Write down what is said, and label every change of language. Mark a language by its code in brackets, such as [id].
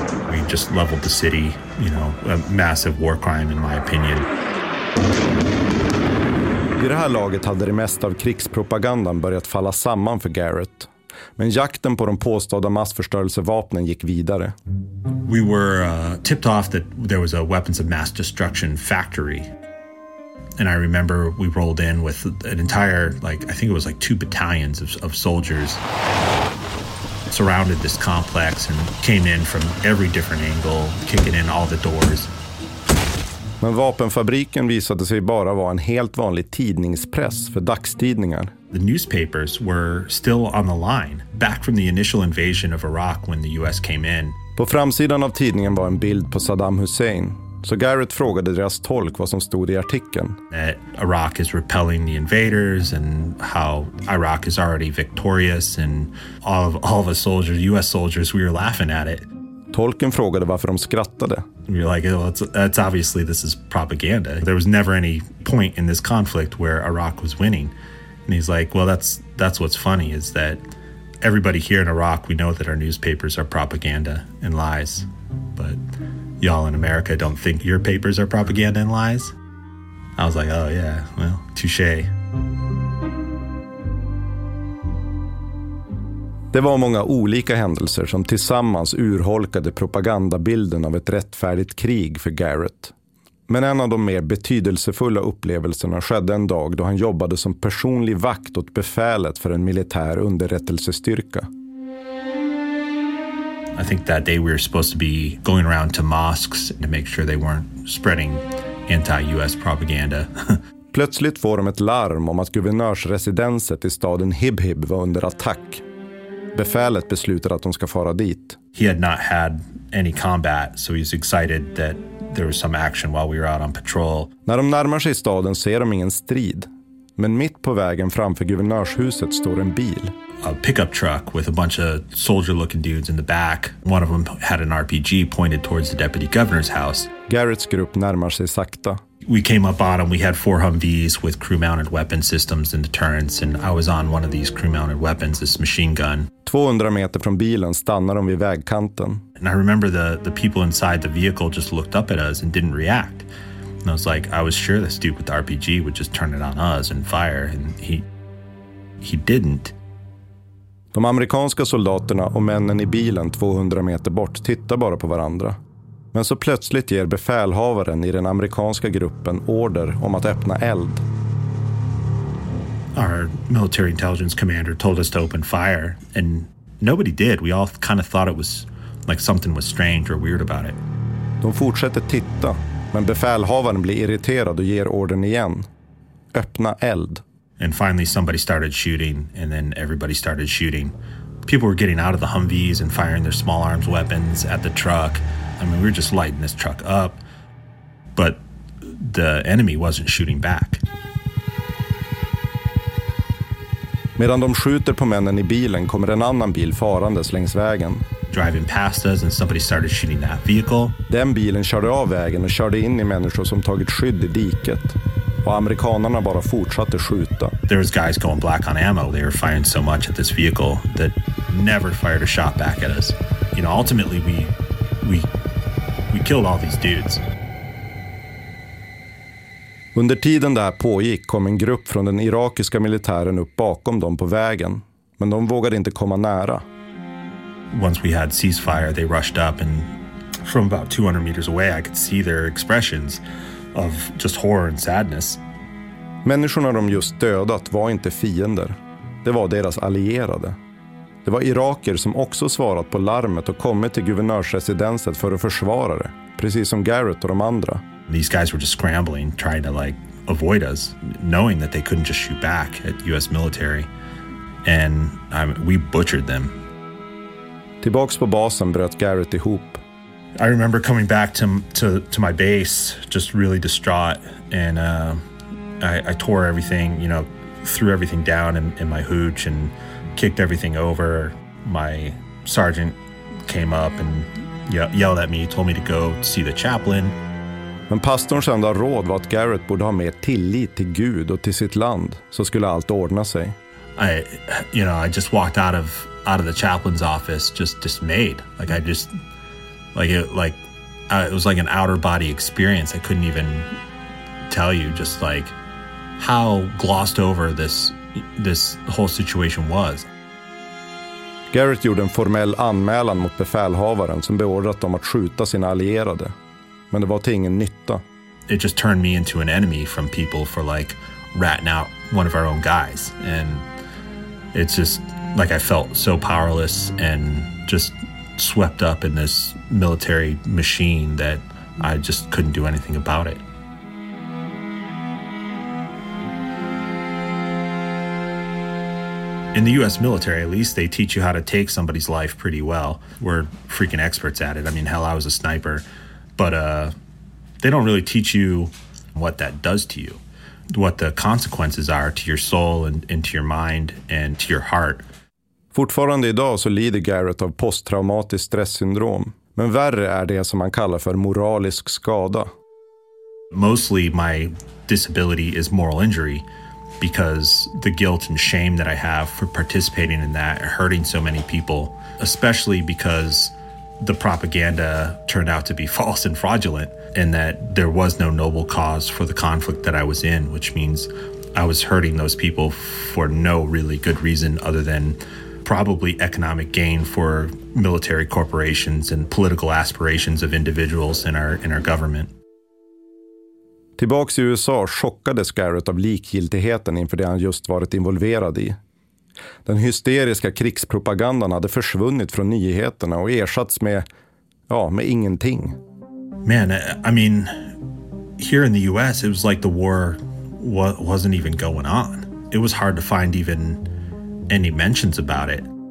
[en] We just leveled the city, a massive war crime in my opinion. [sv] I det här laget hade det mesta av krigspropagandan börjat falla samman för Garrett. Men jakten på de påstådda massförstörelsevapnen gick vidare. [en] We were tipped off that there was a weapons of mass destruction factory. And I remember we rolled in with an entire, I think it was two battalions of soldiers. Surrounded this complex and came in from every different angle, kicking in all the doors. [sv] Men vapenfabriken visade sig bara vara en helt vanlig tidningspress för dagstidningar. [en] The newspapers were still on the line, back from the initial invasion of Iraq when the US came in. [sv] På framsidan av tidningen var en bild på Saddam Hussein. Så Garrett frågade deras tolk vad som stod i artikeln. [en] That Iraq is repelling the invaders and how Iraq is already victorious and all of the soldiers, US soldiers, we were laughing at it. [sv] Tolken frågade varför de skrattade. [en] You're like, well, that's obviously this is propaganda. There was never any point in this conflict where Iraq was winning. And he's like, well, that's what's funny is that everybody here in Iraq, we know that our newspapers are propaganda and lies. But y'all in America don't think your papers are propaganda and lies. I was like, oh yeah, well, touche. [sv] Det var många olika händelser som tillsammans urholkade propagandabilden av ett rättfärdigt krig för Garrett. Men en av de mer betydelsefulla upplevelserna skedde en dag då han jobbade som personlig vakt åt befälet för en militär underrättelsestyrka. [en] I think that day we were supposed to be going around to mosques to make sure they weren't spreading anti-US propaganda. [sv] Plötsligt får de ett larm om att guvernörsresidenset i staden Hibhib var under attack. Befälet beslutade att de ska fara dit. [en] He had not had any combat, so he's excited that there was some action while we were out on patrol. [sv] När de närmar sig staden ser de ingen strid. Men mitt på vägen framför guvernörshuset står en bil. [en] A pickup truck with a bunch of soldier-looking dudes in the back. One of them had an RPG pointed towards the deputy governor's house. [sv] Garretts grupp närmar sig sakta. [en] We came up on them. We had four Humvees with crew-mounted weapon systems in deterrents, and I was on one of these crew-mounted weapons, this machine gun. [sv] 200 meter från bilen stannar de vid vägkanten. [en] And I remember the people inside the vehicle just looked up at us and didn't react. And I was like, I was sure this dude with the RPG would just turn it on us and fire, and he didn't. [sv] De amerikanska soldaterna och männen i bilen 200 meter bort tittar bara på varandra. Men så plötsligt ger befälhavaren i den amerikanska gruppen order om att öppna eld. [en] Our military intelligence commander told us to open fire and nobody did. We all kind of thought it was like something was strange or weird about it. [sv] De fortsätter titta, men befälhavaren blir irriterad och ger ordern igen. Öppna eld. [en] And finally somebody started shooting and then everybody started shooting. People were getting out of the Humvees and firing their small arms weapons at the truck. I mean, we were just lighting this truck up, but the enemy wasn't shooting back. [sv] Medan de skjuter på männen i bilen kommer en annan bil farandes längs vägen. [en] Driving past us and somebody started shooting that vehicle. [sv] Den bilen körde av vägen och körde in i människor som tagit skydd i diket. Och amerikanerna bara fortsatte skjuta. [en] There was guys going black on ammo. They were firing so much at this vehicle that never fired a shot back at us. You know, ultimately we killed all these dudes. [sv] Under tiden där pågick kom en grupp från den irakiska militären upp bakom dem på vägen, men de vågade inte komma nära. [en] Once we had ceasefire, they rushed up and from about 200 meters away I could see their expressions of just horror and sadness. [sv] Människorna de just dödat var inte fiender. det var deras allierade. Det var iraker som också svarat på larmet och kommit till guvernörsresidenset för att försvara det, precis som Garrett och de andra. [en] These guys were just scrambling, trying to like avoid us, knowing that they couldn't just shoot back at US military. And we butchered them. [sv] Tillbaks på basen bröt Garrett ihop. [en] I remember coming back to my base just really distraught, and I tore everything, you know, threw everything down in my hooch and kicked everything over. My sergeant came up and yelled at me, told me to go see the chaplain. [sv] Men pastorns enda råd var att Garrett borde ha mer tillit till Gud och till sitt land, så skulle allt ordna sig. [en] I just walked out of the chaplain's office just dismayed. It was like an outer body experience. I couldn't even tell you just like how glossed over this whole situation was. [sv] Garrett gjorde en formell anmälan mot befälhavaren som beordrat dem att skjuta sina allierade. Men det var till ingen nytta. [en] It just turned me into an enemy from people for like ratting out one of our own guys. And it's just like I felt so powerless and just swept up in this military machine that I just couldn't do anything about it. In the US military, at least, they teach you how to take somebody's life pretty well. We're freaking experts at it. I mean, hell, I was a sniper. But they don't really teach you what that does to you, what the consequences are to your soul and to your mind and to your heart. [sv] Fortfarande idag så lider Garrett av posttraumatiskt stresssyndrom, men värre är det som man kallar för moralisk skada. [en] Mostly my disability is moral injury, because the guilt and shame that I have for participating in that, hurting so many people, especially because the propaganda turned out to be false and fraudulent, and that there was no noble cause for the conflict that I was in, which means I was hurting those people for no really good reason other than probably economic gain for military corporations and political aspirations of individuals in our government. [sv] Tillbaks i USA chockades Garrett av likgiltigheten inför det han just varit involverad i. Den hysteriska krigspropagandan hade försvunnit från nyheterna och ersatts med ingenting. [en] Man, I mean, here in the US it was like the war wasn't even going on. It was hard to find even any mentions about it.